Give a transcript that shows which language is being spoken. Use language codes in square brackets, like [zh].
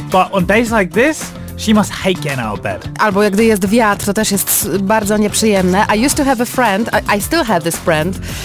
[en] But on days like this, she must hate getting out of bed. [pl] Albo jak gdy jest wiatr, to też jest bardzo nieprzyjemne. [en] I used to have a friend, I still have this friend.